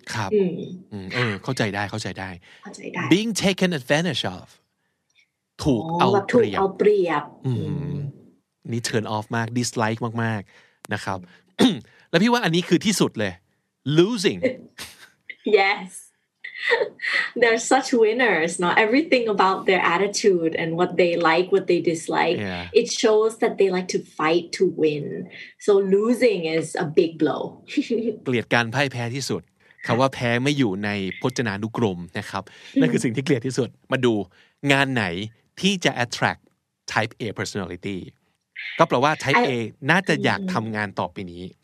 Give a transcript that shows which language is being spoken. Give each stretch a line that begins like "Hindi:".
Thai: ครับเข้าใจได้ เข้าใจได้
English: being taken advantage of
Thai: ถูกเอา เปรียบ นี่เทิร์นออฟมาก dislike มากๆนะครับแล้วพี่ว่าอันนี้คือที่สุดเลย losing
English: yesThey're such winners, no? Everything about their attitude and what they like, what they dislike, yeah. it shows that they like to fight to win. So losing is a big blow.
Thai: เกลียดการพ่ายแพ้ที่สุดคำว่าแพ้ไม่อยู่ในพจนานุกรมนะครับนั่นคือสิ่งที่เกลียดที่สุดมาดูงานไหนที่จะ attract type A personality ก็แปลว่า type A น่าจะอยากทำงานต่อไปนี้